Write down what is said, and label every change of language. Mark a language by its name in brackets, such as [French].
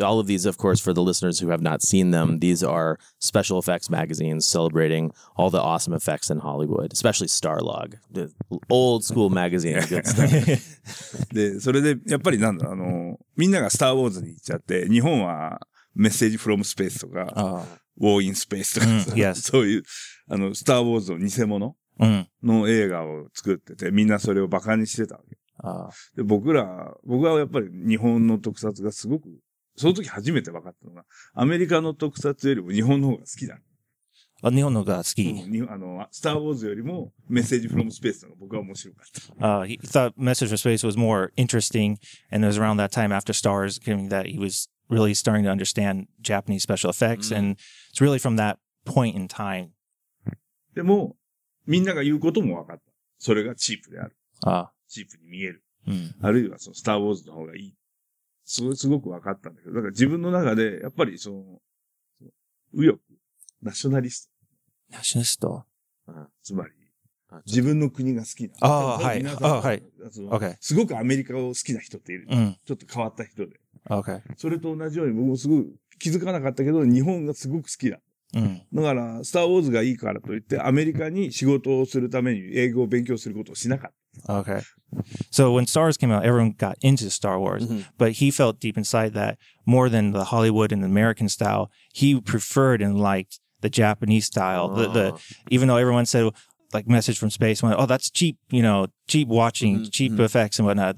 [English] All of these, of course, for the listeners who have not seen them, these are special effects magazines celebrating all the awesome effects in Hollywood, especially Starlog, the old school magazine. [Japanese] メッセージフロムスペースとか、ウォーインスペースとか、そういう、スターウォーズの偽物の映画を作ってて、みんなそれをバカにしてたわけ。で、僕はやっぱり日本の特撮がすごく、その時初めて分かったのが、アメリカの特撮よりも日本の方が好きだ。あ、日本のが好き。スターウォーズよりもメッセージフロムスペースの方が僕は面白かった。 [English] He thought Message from Space was more interesting, and it was around that time after Star Wars came that he was really starting to understand Japanese special effects, and it's really from that point in time. [Japanese] でも、みんなが言うことも分かった。それがチープである。チープに見える。あるいはそのスターウォーズの方がいい。それすごく分かったんだけど、だから自分の中でやっぱりその右翼、ナショナリスト。ナショナリスト。つまり自分の国が好きな。すごくアメリカを好きな人っている。ちょっと変わった人で。 [English] Okay. [Japanese] それと同じように僕もすごい気づかなかったけど日本がすごく好きだ。だからスターウォーズがいいからといってアメリカに仕事をするために英語を勉強することをしなかった。 [English] Okay. So when Star Wars came out, everyone got into Star Wars, but he felt deep inside that more than the Hollywood and the American style, he preferred and liked the Japanese style. The even though everyone said like Message from Space, went, oh, that's cheap, you know, cheap watching, cheap effects and whatnot.